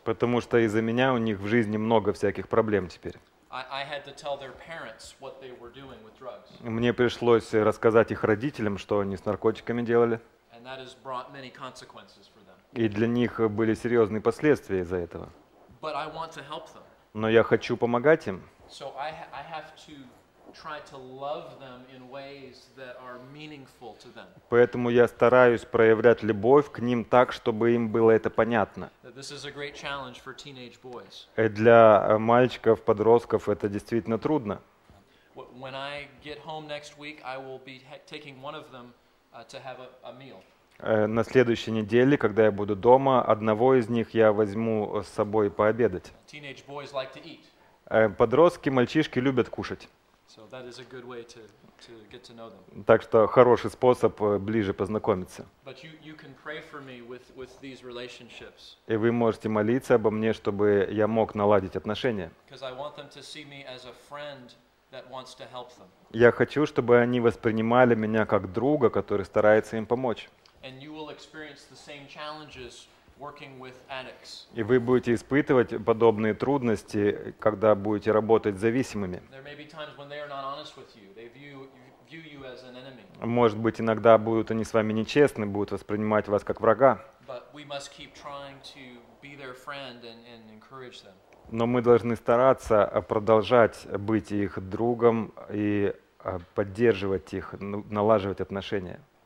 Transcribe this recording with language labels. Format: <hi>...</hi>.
<ru>Потому что из-за меня у них в жизни много всяких проблем теперь.</ru> <en>I had to tell their parents what they were doing with drugs.</en> <ru>Мне пришлось рассказать их родителям, что они с наркотиками делали.</ru> <en>And that has brought many consequences for them.</en> <ru>И для них были серьезные последствия из-за этого.</ru> <en>But I want to help them.</en> <ru>Но я хочу помогать им.</ru> <en>So I have to try to love them in ways that are meaningful to them.</en> <ru>Поэтому я стараюсь проявлять любовь к ним так, чтобы им было это понятно.</ru> <en>This is a great challenge for teenage boys.</en> <ru>Для мальчиков, подростков это действительно трудно.</ru> <en>When I get home next week, I will be taking one of them to have a meal.</en> <ru>На следующей неделе, когда я буду дома, одного из них я возьму с собой пообедать.</ru> <en>Teenage boys like to eat.</en> <ru>Подростки, мальчишки любят кушать.</ru> <en>So that is a good way to get to know them.</en> <ru>Так что хороший способ ближе познакомиться.</ru> <en>But you can pray for me with these relationships.</en> <ru>И вы можете молиться обо мне, чтобы я мог наладить отношения.</ru> <en>Because I want them to see me as a friend that wants to help them.</en> <ru>Я хочу, чтобы они воспринимали меня как друга, который старается им помочь.</ru> <en>And you will experience the same challenges working with addicts.</en> <ru>И вы будете испытывать подобные трудности, когда будете работать с зависимыми.</ru> <en>There may be times when they are not honest with you. They view you as an enemy.</en> <ru>Может быть, иногда будут они с вами нечестны, будут воспринимать вас как врага.</ru> <en>But we must keep trying to be their friend and encourage them.</en> <ru>Но мы должны стараться продолжать быть их другом и поддерживать их, налаживать отношения.</ru>